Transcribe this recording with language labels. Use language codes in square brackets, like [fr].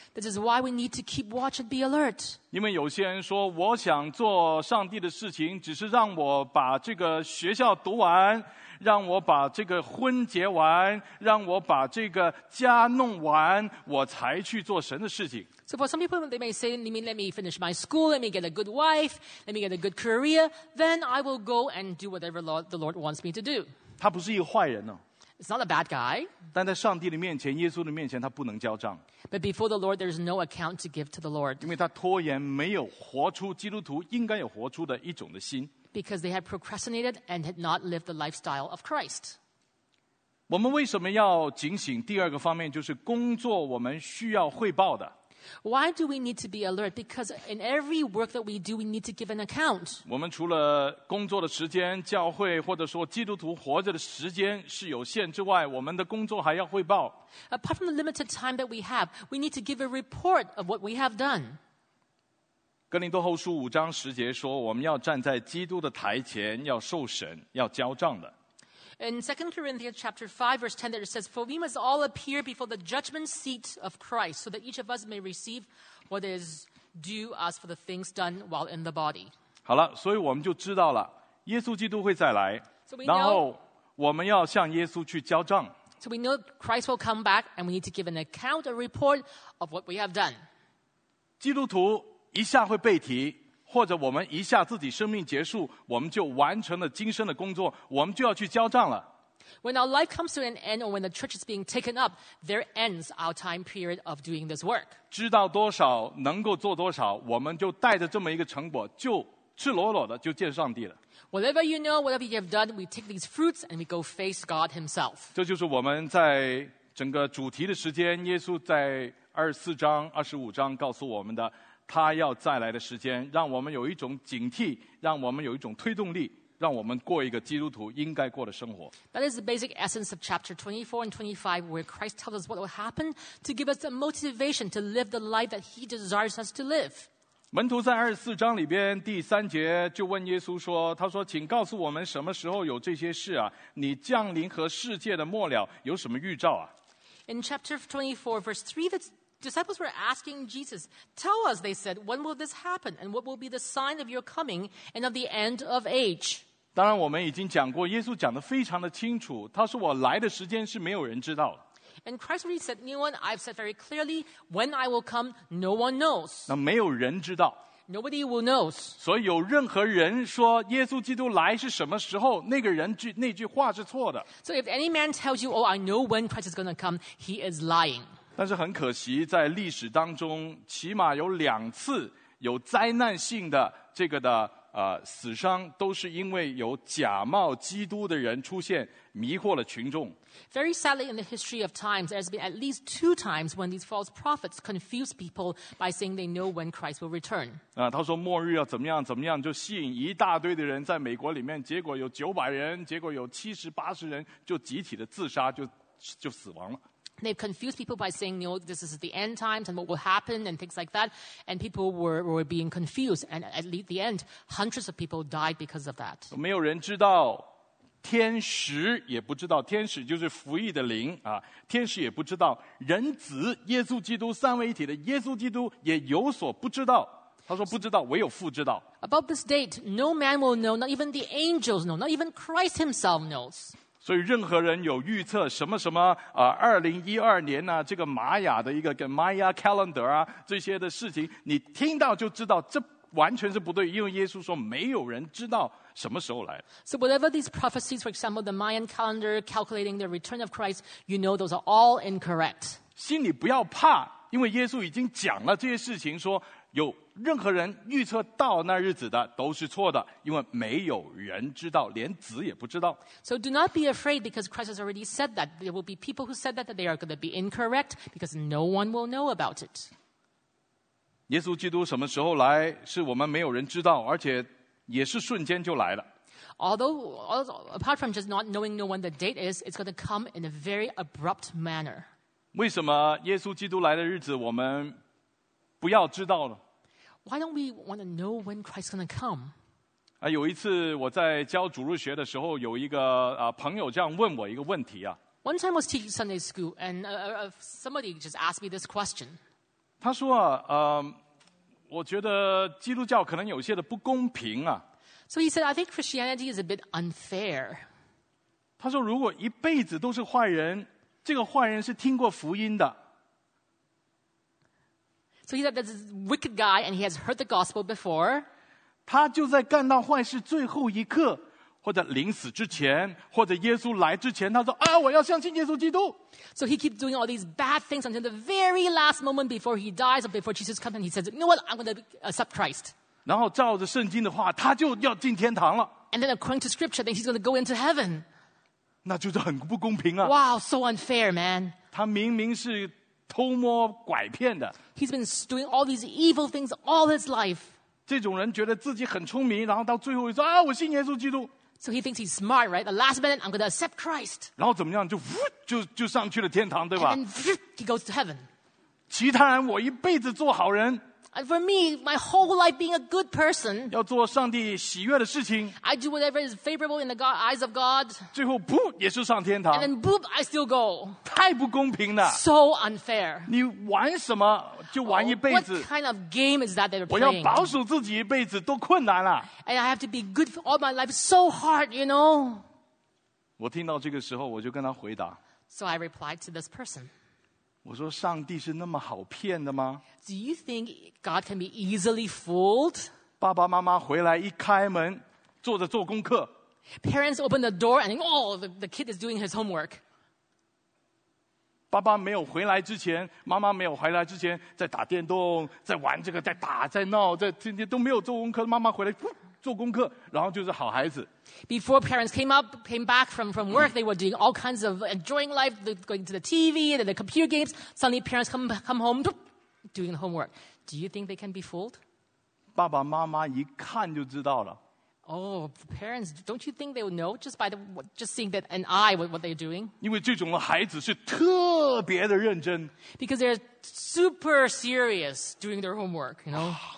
[en] This is why we need to keep watch and be alert. [zh] 因为有些人说，我想做上帝的事情，只是让我把这个学校读完，让我把这个婚结完，让我把这个家弄完，我才去做神的事情。 [en] So for some people, they may say, let me finish my school, let me get a good wife, let me get a good career, then I will go and do whatever the Lord wants me to do. [zh] 他不是一个坏人哦。 [en] It's not a bad guy. [zh] 但在上帝的面前，耶稣的面前，他不能交账。 [en] But before the Lord, there is no account to give to the Lord. [zh] 因为他拖延，没有活出基督徒应该有活出的一种的心。 [en] Because they had procrastinated and had not lived the lifestyle of Christ. [zh] 我们为什么要警醒？第二个方面就是工作，我们需要汇报的。 [en] Why do we need to be alert? Because in every work that we do, we need to give an account. [zh] 我们除了工作的时间，教会或者说基督徒活着的时间是有限之外，我们的工作还要汇报。 [en] Apart from the limited time that we have, we need to give a report of what we have done. [zh] 哥林多后书五章十节说，我们要站在基督的台前，要受审，要交账的。 [en] In 2 Corinthians chapter 5, verse 10, there it says, For we must all appear before the judgment seat of Christ, so that each of us may receive what is due us for the things done while in the body. [zh] 好了，所以我们就知道了，耶稣基督会再来，然后我们要向耶稣去交账。 [en] So we know Christ will come back, and we need to give an account, a report of what we have done. [zh] 基督徒一下会被提。或者我们一下自己生命结束，我们就完成了今生的工作，我们就要去交账了。 [en] When our life comes to an end, or when the church is being taken up, there ends our time period of doing this work. [zh] 知道多少，能够做多少，我们就带着这么一个成果，就赤裸裸的就见上帝了。 [en] Whatever you know, whatever you have done, we take these fruits and we go face God Himself. [zh] 这就是我们在整个主题的时间，耶稣在二十四章、二十五章告诉我们的。他要再来的时间，让我们有一种警惕，让我们有一种推动力，让我们过一个基督徒应该过的生活。 That is the basic essence of chapter 24 and 25, where Christ tells us what will happen to give us the motivation to live the life that He desires us to live. 门徒在二十四章里边第三节就问耶稣说：“他说，请告诉我们什么时候有这些事啊？你降临和世界的末了有什么预兆啊 [en] ？”In chapter 24, verse 3, Disciples were asking Jesus, Tell us, they said, when will this happen? And what will be the sign of your coming and of the end of age? [zh] 当然我们已经讲过耶稣讲得非常的清楚他说我来的时间是没有人知道的 [en] And Christ already said, Anyone, I've said very clearly, when I will come, no one knows. [zh] 那没有人知道 [en] Nobody will know. [zh] 所以有任何人说耶稣基督来是什么时候那句话是错的 [en] So if any man tells you, Oh, I know when Christ is going to come, he is lying. [zh] 但是很可惜在历史当中起码有两次有灾难性的这个的死伤都是因为有假冒基督的人出现迷惑了群众 [en] Very sadly in the history of times there has been at least two times when these false prophets confuse people by saying they know when Christ will return [zh] 他说末日要怎么样怎么样就吸引一大堆的人在美国里面结果有900人结果有70、80人就集体的自杀 就死亡了 [en] They've confused people by saying, you know, this is the end times and what will happen and things like that. And people were being confused. And at the end, hundreds of people died because of that. [zh] 没有人知道天使也不知道天使就是服役的灵啊，天使也不知道人子耶稣基督三位一体的耶稣基督也有所不知道。他说不知道，唯有父知道。 [en] About this date, no man will know, not even the angels know, not even Christ himself knows. [zh] 所以任何人有预测什么什么2012年呢、啊、这个玛雅的一个跟 [en] Maya calendar [zh] 啊这些的事情你听到就知道这完全是不对因为耶稣说没有人知道什么时候来。 [en] So whatever these prophecies, for example, the Mayan calendar calculating the return of Christ, you know those are all incorrect. [zh] 心里不要怕因为耶稣已经讲了这些事情说有任何人预测到那日子的都是错的因为没有人知道连子也不知道 [en] So do not be afraid because Christ has already said that there will be people who said that they are going to be incorrect because no one will know about it [zh] 耶稣基督什么时候来是我们没有人知道而且也是瞬间就来了 [en] Although apart from just not knowing no one the date is it's going to come in a very abrupt manner [zh] 为什么耶稣基督来的日子我们不要知道了 [en] Why don't we want to know when Christ is going to come? [zh] 有一次我在教主日学的时候有一个朋友这样问我一个问题啊。 [en] One time I was teaching Sunday school, and somebody just asked me this question. [zh] 他说，我觉得基督教可能有些的不公平啊。 [en] So he said, I think Christianity is a bit unfair. [zh] 他说，如果一辈子都是坏人，这个坏人是听过福音的。 [en] So he said, there's this wicked guy, and he has heard the gospel before. [zh] 他就在干到坏事最后一刻。或者临死之前，或者耶稣来之前，他说：“啊，我要相信耶稣基督。” [en] So he keeps doing all these bad things until the very last moment before he dies or before Jesus comes, and he says, "You know what? I'm going to accept Christ." [zh] 然后照着圣经的话，他就要进天堂了。 [en] And then according to scripture, then he's going to go into heaven. [zh] 那就是很不公平啊！ [en] Wow, so unfair, man. [zh] 他明明是偷摸拐骗的。 [en] He's been doing all these evil things all his life. [zh] 这种人觉得自己很聪明，然后到最后说：“啊，我信耶稣基督。” [en] So he thinks he's smart, right? The last minute, I'm going to accept Christ. [zh] 然后怎么样?就上去了天堂, 对吧? [en] And then, he goes to heaven. [zh] 其他人我一辈子做好人, [en] and for me, my whole life being a good person, [zh] 要做上帝喜悦的事情, [en] I do whatever is favorable in the God, eyes of God, [zh] 最后, 也是上天堂, [en] and then, boop, I still go. [zh] 太不公平了, [en] so unfair. [zh] 你玩什么就玩一辈子, [en] what kind of game is that they're playing? [zh] 我要保守自己一辈子都困难了, [en] and I have to be good for all my life, so hard, you know? [zh] 我听到这个时候我就跟他回答, [en] so I replied to this person. [zh] 我说上帝是那么好骗的吗? [en] Do you think God can be easily fooled? [zh] 爸爸妈妈回来一开门, 坐着做功课, [en] parents open the door and oh, the kid is doing his homework. [zh] 爸爸没有回来之前, 妈妈没有回来之前, 在打电动, 在玩这个, 在打, 在闹, 在, 都没有做功课, 妈妈回来, 做功课, 然后就是好孩子。 [en] Before parents came back from work, they were doing all kinds of enjoying life, going to the TV, the computer games. Suddenly parents come home doing the homework. Do you think they can be fooled? [zh] 爸爸妈妈一看就知道了。 [en] Oh, parents, don't you think they will know just by the, just seeing that an eye what they're doing? [zh] 因为这种的孩子是特别的认真。 [en] Because they're super serious doing their homework, you know?